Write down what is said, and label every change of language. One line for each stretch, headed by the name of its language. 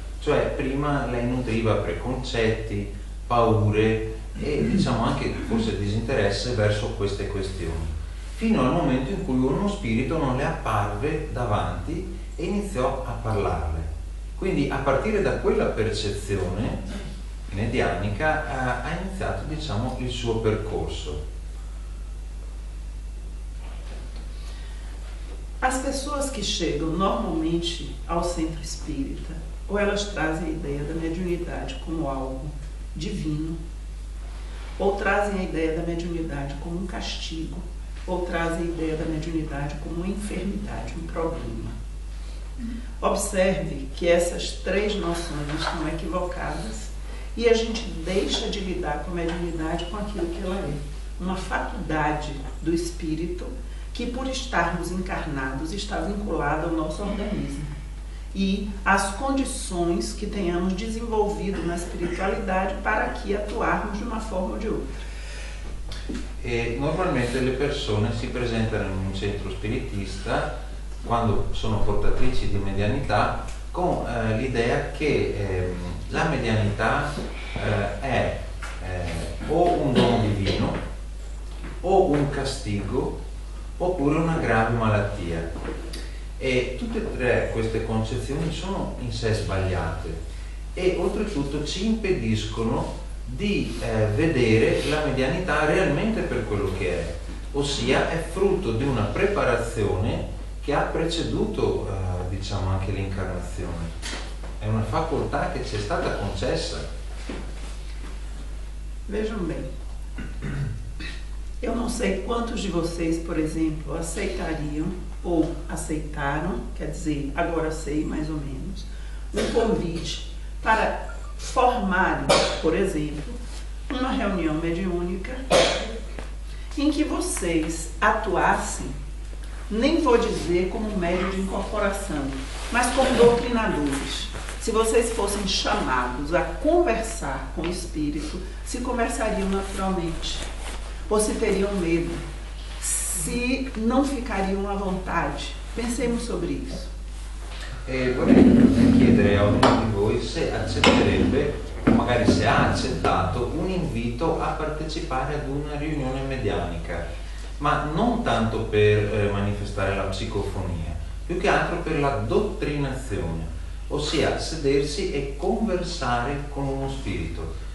Italian: Cioè, prima lei nutriva preconcetti, paure e diciamo anche forse disinteresse verso queste questioni, fino al momento in cui uno spirito non le apparve davanti e iniziò a parlarle. Quindi a partire da quella percezione medianica ha iniziato, diciamo, il suo percorso.
Portuguese: As pessoas que chegam normalmente ao centro espírita, ou elas trazem a ideia da mediunidade como algo divino, ou trazem a ideia da mediunidade como um castigo, ou trazem a ideia da mediunidade como uma enfermidade, um problema. Observe que essas três noções estão equivocadas e a gente deixa de lidar com a mediunidade com aquilo que ela é. Uma faculdade do espírito que, por estarmos encarnados, está vinculada ao nosso organismo. E às condições que tenhamos desenvolvido na espiritualidade para que atuarmos de uma forma ou de outra. E, normalmente, as pessoas se apresentam em um centro espiritista quando
Italian: sono portatrici di medianità, con l'idea che la medianità è o un dono divino, o un castigo, oppure una grave malattia. E tutte e tre queste concezioni sono in sé sbagliate e oltretutto ci impediscono di vedere la medianità realmente per quello che è, ossia è frutto di una preparazione che ha preceduto, diciamo, anche l'incarnazione. È una facoltà che ci è stata concessa.
Portuguese: Vejam bem, eu não sei quantos de vocês, por exemplo, aceitariam ou aceitaram, quer dizer, agora sei mais ou menos, um convite para formarem, por exemplo, uma reunião mediúnica em que vocês atuassem, nem vou dizer como médium de incorporação, mas como doutrinadores. Se vocês fossem chamados a conversar com o espírito, se conversariam naturalmente? Ou se teriam medo? Se não ficariam à vontade? Pensemos sobre isso.
Italian: Vorrei chiedere a ognuno di voi se accetterebbe, o magari se ha accettato, un invito a partecipare ad una riunione medianica, ma non tanto per manifestare la psicofonia, più che altro per la dottrinazione, ossia sedersi e conversare con uno spirito.